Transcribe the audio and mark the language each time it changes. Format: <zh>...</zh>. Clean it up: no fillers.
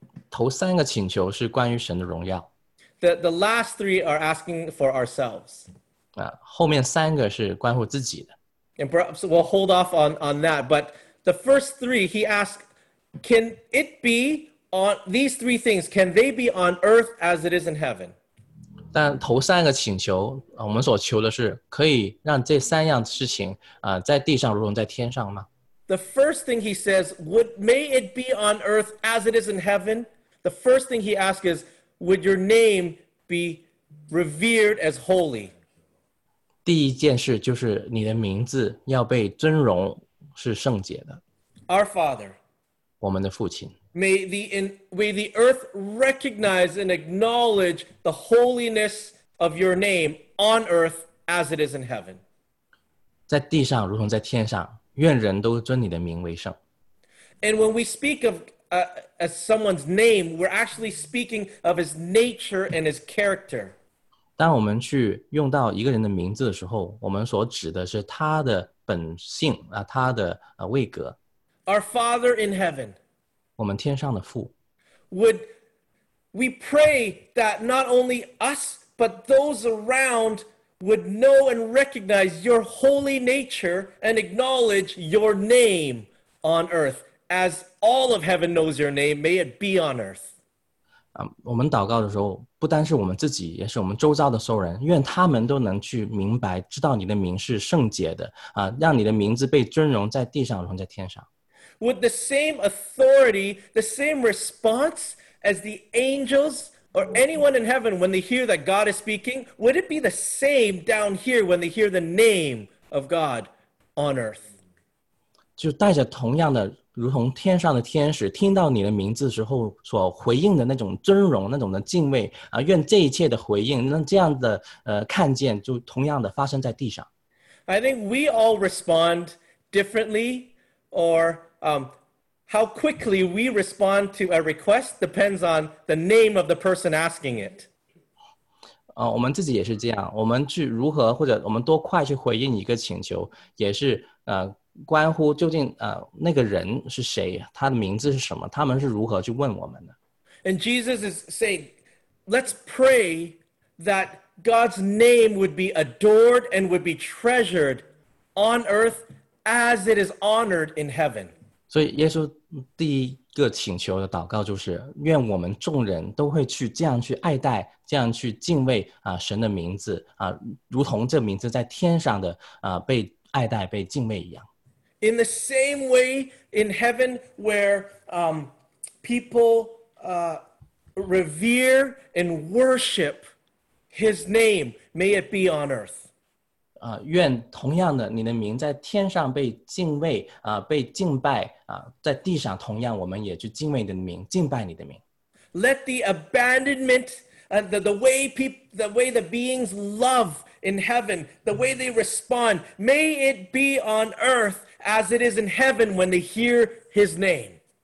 <zh>头三个请求是关于神的荣耀。</zh> <en>The last three are asking for ourselves.</en> <zh>后面三个是关乎自己的。</zh> <en>And perhaps we'll hold off on that, but the first three, He asked,Can it be on these three things? Can they be on earth as it is in heaven?</en> <zh>但头三个请求，我们所求的是可以让这三样事情在地上如同在天上吗？</zh> <en>The first thing he says, would may it be on earth as it is in heaven? The first thing he asks is, would your name be revered as holy?</en> <zh>第一件事就是你的名字要被尊荣，是圣洁的。</zh> <en>Our Father.</en> <zh>我们的父亲。</zh> <en>May the earth recognize and acknowledge the holiness of your name on earth as it is in heaven.</en> <zh>在地上如同在天上，愿人都尊你的名为圣。</zh> <en>And when we speak of as someone's name, we're actually speaking of his nature and his character.</en> <zh>当我们去用到一个人的名字的时候，我们所指的是他的本性他的位格。</zh> <en>Our Father in heaven.</en> <zh>我们天上的父。</zh> <en>Would we pray that not only us, but those around would know and recognize your holy nature and acknowledge your name on earth, as all of heaven knows your name, may it be on earth.</en> <zh>我们祷告的时候，不单是我们自己，也是我们周遭的所有人，愿他们都能去明白，知道你的名是圣洁的，让你的名字被尊荣在地上，荣在天上。</zh> <en>Would the same authority, the same response as the angels or anyone in heaven when they hear that God is speaking, would it be the same down here when they hear the name of God on earth?</en> <zh>就带着同样的，如同天上的天使，听到你的名字时候所回应的那种尊荣，那种的敬畏，愿这一切的回应，那这样的看见，就同样的发生在地上。</zh> <en>I think we all respond differently or... how quickly we respond to a request depends on the name of the person asking it.</en> <zh>我们自己也是这样，我们去如何或者我们多快去回应一个请求，也是关乎究竟那个人是谁，他的名字是什么，他们是如何去问我们的。</zh> <en>And Jesus is saying, let's pray that God's name would be adored and would be treasured on earth as it is honored in heaven.</en> <zh>所以耶稣第一个请求的祷告就是愿我们众人都会去这样去爱戴，这样去敬畏神的名字如同这名字在天上的被爱戴被敬畏一样。</zh> <en>In the same way in heaven where people revere and worship his name, may it be on earth.</en> <zh>愿同样的，你的名在天上被敬畏被敬拜在地上同样，我们也去敬畏你的名，敬拜你的名。</zh> <en>Let the abandonment, the way the beings love in heaven, the way they respond, may it be on earth as it is in heaven when they hear His name.</en>